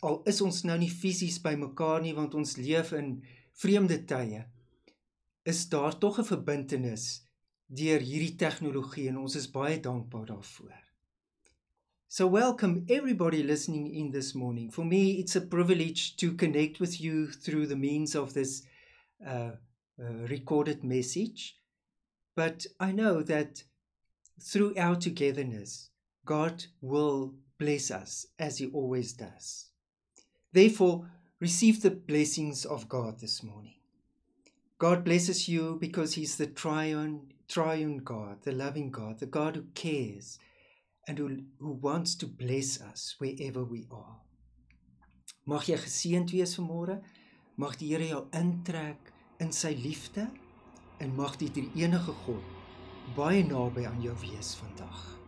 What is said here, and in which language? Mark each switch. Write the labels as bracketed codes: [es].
[af] Al is ons nou nie fisies by mekaar nie, want ons leef in vreemde tye, is daar tog 'n verbintenis deur hierdie tegnologie en ons is baie dankbaar daarvoor. [en] So welcome everybody listening in this morning. For me, it's a privilege to connect with you through the means of this recorded message. But I know that through our togetherness, God will bless us as He always does. Therefore, receive the blessings of God this morning. God blesses you because He's the triune God, the loving God, the God who cares and who wants to bless us wherever we are. [af] Mag jy geseend wees vanmôre. Mag die Here jou intrek in sy liefde en mag die enige God baie naby aan jou wees vandag.